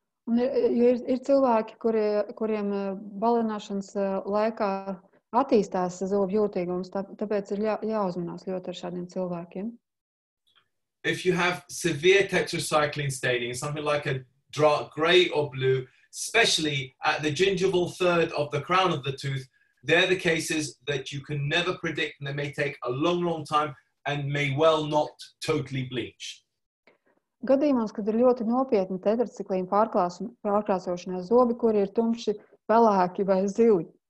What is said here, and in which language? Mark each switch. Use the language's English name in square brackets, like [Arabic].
[Latvian] Un ir cilvēki, kuriem balināšanas laikā attīstās zobu jūtīgums, tāpēc ir jāuzmanās ļoti ar šādiem cilvēkiem. [English] If you have severe tetracycline staining, something like a dark gray or blue, especially at the gingival third of the crown of the tooth, they're the cases that you can never predict and they may take a long, long time and may well not totally bleach. [Latvian] Gadījumos, kad ir ļoti nopietni tetracikliņu pārkrāsošanās zobi, kuri ir tumši pelēki vai zili.